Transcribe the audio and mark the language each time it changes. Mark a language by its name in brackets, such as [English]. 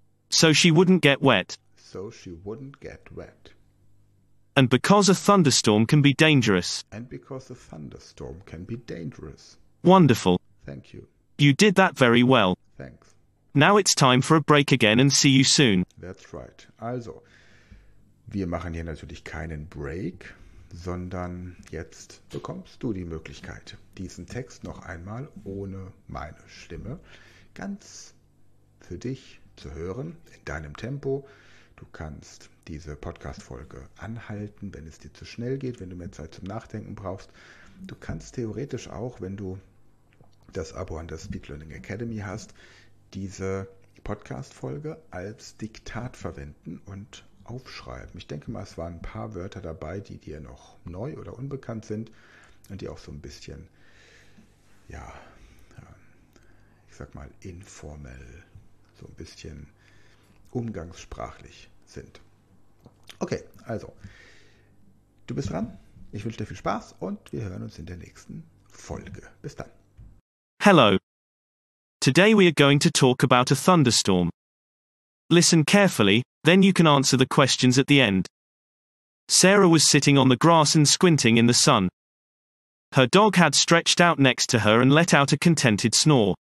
[English] So she wouldn't get wet. So she wouldn't get wet. And because a thunderstorm can be dangerous. And because a thunderstorm can be dangerous. Wonderful. Thank you. You did that very well. Thanks. Now it's time for a break again and see you soon. That's right. [German] Also, wir machen hier natürlich keinen Break, sondern jetzt bekommst du die Möglichkeit, diesen Text noch einmal ohne meine Stimme ganz für dich zu hören, in deinem Tempo. Du kannst diese Podcast-Folge anhalten, wenn es dir zu schnell geht, wenn du mehr Zeit zum Nachdenken brauchst. Du kannst theoretisch auch, wenn du das Abo an der Speed Learning Academy hast, diese Podcast-Folge als Diktat verwenden und aufschreiben. Ich denke mal, es waren ein paar Wörter dabei, die dir noch neu oder unbekannt sind und die auch so ein bisschen, ja, ich sag mal, informell, so ein bisschen umgangssprachlich sind. Okay, also, du bist dran. Ich wünsche dir viel Spaß und wir hören uns in der nächsten Folge. Bis dann. [English] Hello. Today we are going to talk about a thunderstorm. listen carefully, then you can answer the questions at the end. Sarah was sitting on the grass and squinting in the sun. Her dog had stretched out next to her and let out a contented snore.